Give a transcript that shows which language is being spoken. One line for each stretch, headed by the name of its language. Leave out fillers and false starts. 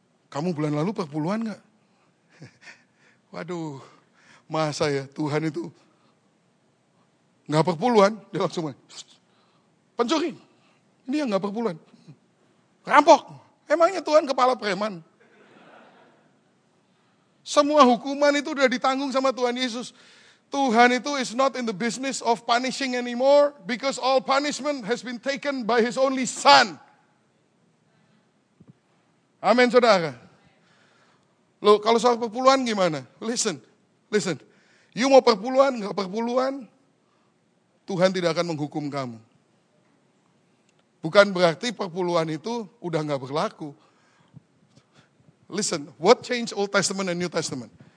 Indonesian: Kamu bulan lalu perpuluhan gak? Waduh, masa ya Tuhan itu gak perpuluhan? Dia langsung, pencuri. Ini yang gak perpuluhan. Rampok. Emangnya Tuhan kepala preman? Semua hukuman itu udah ditanggung sama Tuhan Yesus. Tuhan itu
English: is not in the business of punishing anymore because all punishment has been taken by his only son.
Indonesian: Amin, saudara. Loh, kalau soal perpuluhan gimana? Listen. You mau perpuluhan, gak perpuluhan, Tuhan tidak akan menghukum kamu. Bukan berarti perpuluhan itu udah gak berlaku.
English: Listen, what changed Old Testament and New Testament?